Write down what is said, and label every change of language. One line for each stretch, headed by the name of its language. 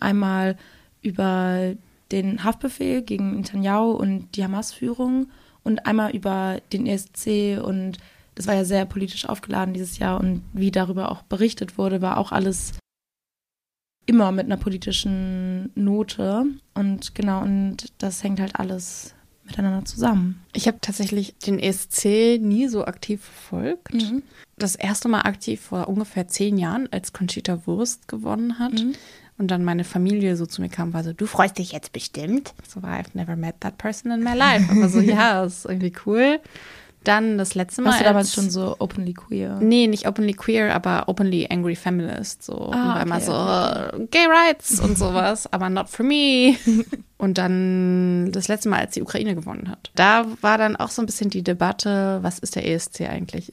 German: Einmal über den Haftbefehl gegen Netanyahu und die Hamas-Führung und einmal über den ESC und das war ja sehr politisch aufgeladen dieses Jahr und wie darüber auch berichtet wurde, war auch alles immer mit einer politischen Note und genau, und das hängt halt alles miteinander zusammen. Ich habe tatsächlich den ESC nie so aktiv verfolgt. Mhm. Das erste Mal aktiv vor ungefähr 10 Jahren, als Conchita Wurst gewonnen hat und dann meine Familie so zu mir kam, war so, du freust dich jetzt bestimmt. So war,
English: I've never met that person in my life.
German: Aber so, ja, ist irgendwie cool. Dann das letzte Mal. Warst du damals schon so
English: openly queer?
German: Nee, nicht
English: openly queer,
German: aber
English: openly angry feminist.
German: So einmal so,
English: gay rights
German: und sowas, aber
English: not for me.
German: Und dann das letzte Mal, als die Ukraine gewonnen hat. Da war dann auch so ein bisschen die Debatte, was ist der ESC eigentlich?